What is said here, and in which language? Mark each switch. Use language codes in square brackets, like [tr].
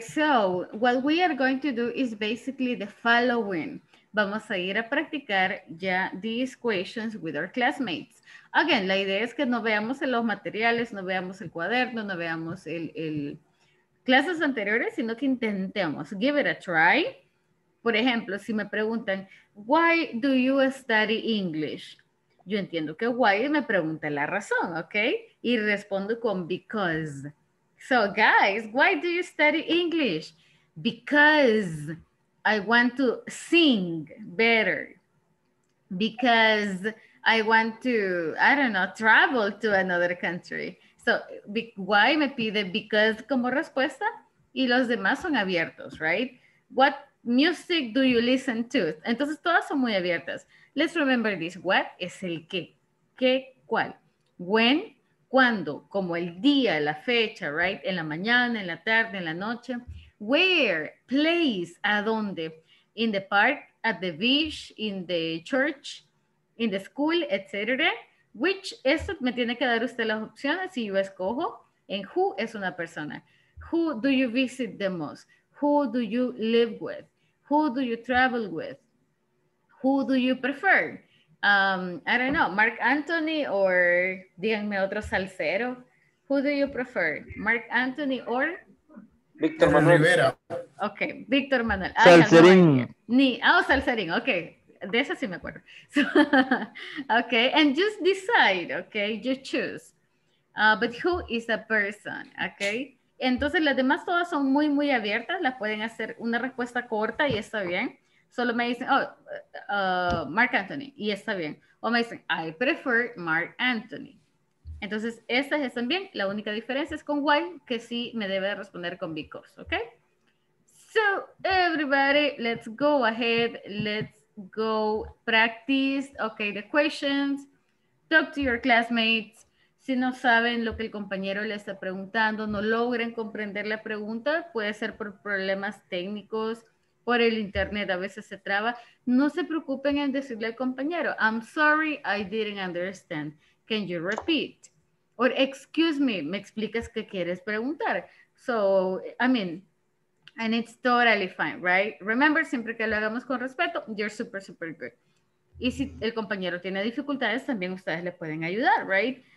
[en] So, what we are going to do is basically the following. [es] Vamos a ir a practicar ya [en] these questions with our classmates. [es] Again, la idea es que no veamos los materiales, no veamos el cuaderno, no veamos el clases anteriores, sino que intentemos. [en] Give it a try. [es] Por ejemplo, si me preguntan, [en] why do you study English? [es] Yo entiendo que why me pregunta la razón, okay? Y respondo con because. [en] So guys, why do you study English? Because I want to sing better. Because I want to, I don't know, travel to another country. [es] So why me pide because como respuesta y los demás son abiertos, right? What [en] music do you listen to? [es] Entonces, todas son muy abiertas. [en] Let's remember this. [es] What es el qué. ¿Qué? ¿Cuál? When, cuando, como el día, la fecha, right? En la mañana, en la tarde, en la noche. [en] Where, place, [es] ¿a dónde? [en] In the park, at the beach, in the church, in the school, etc. [es] Which, eso me tiene que dar usted las opciones y yo escojo. [en] And who [es] es una persona. [en] Who do you visit the most? Who do you live with? Who do you travel with? Who do you prefer? I don't know, Mark Anthony or, [es] díganme otro salsero. [en] Who do you prefer? Mark Anthony or? Víctor Manuel Rivera. Okay, Víctor Manuel. [es] Salserín. Ni, oh, salserín, okay. De eso sí me acuerdo. [en] So, okay, and just decide, okay, you choose. But who is the person, okay? [es] Entonces, las demás todas son muy, muy abiertas. Las pueden hacer una respuesta corta y está bien. Solo me dicen, oh, Mark Anthony, y está bien. O me dicen, [en] I prefer Mark Anthony. [es] Entonces, estas están bien. La única diferencia es con why, que sí me debe responder con because, okay? [en] So, everybody, let's go ahead. Let's go practice, okay, the questions. Talk to your classmates. [es] Si no saben lo que el compañero le está preguntando, no logren comprender la pregunta, puede ser por problemas técnicos, por el internet, a veces se traba. No se preocupen en decirle al compañero, [en] I'm sorry, I didn't understand. Can you repeat? Or excuse me, [es] ¿me explicas qué quieres preguntar? [en] So, I mean, and it's totally fine, right? [es] Remember, siempre que lo hagamos con respeto, [en] you're super, super good. [es] Y si el compañero tiene dificultades, también ustedes le pueden ayudar, right?